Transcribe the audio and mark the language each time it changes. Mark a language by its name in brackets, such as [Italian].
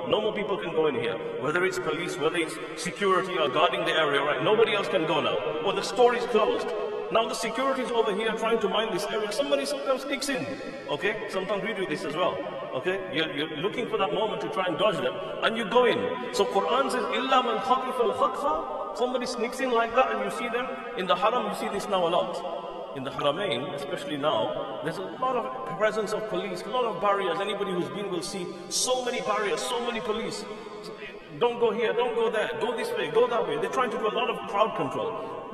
[English] No more people can go in here. Whether it's police, whether it's security are guarding the area, right? Nobody else can go now. Or the store is closed. Now the security is over here trying to mine this area. Somebody sometimes sneaks in. Okay? Sometimes we do this as well. Okay? You're looking for that moment to try and dodge them. And you go in. So Quran says, [Arabic] إِلَّا مَنْ خَطِفَ الْخَطْفَ. [English] Somebody sneaks in like that and you see them. In the haram, you see this now a lot. In the Haramain, especially now, there's a lot of presence of police, a lot of barriers. Anybody who's been will see so many barriers, so many police. Don't go here, don't go there, go this way, go that way. They're trying to do a lot of crowd control.